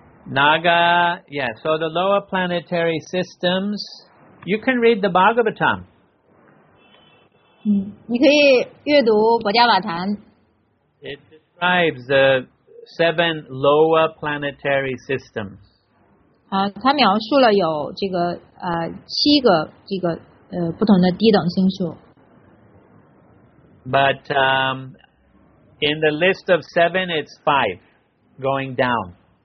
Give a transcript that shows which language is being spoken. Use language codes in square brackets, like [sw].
[en] Naga, yeah, so the lower planetary systems, you can read the Bhagavatam. [zh] 嗯，你可以阅读《国家瓦坛》。 [en] It describes the seven lower planetary systems. [zh] 它描述了有这个七个这个不同的低等星宿。 [en] But in the list of seven, it's five going down.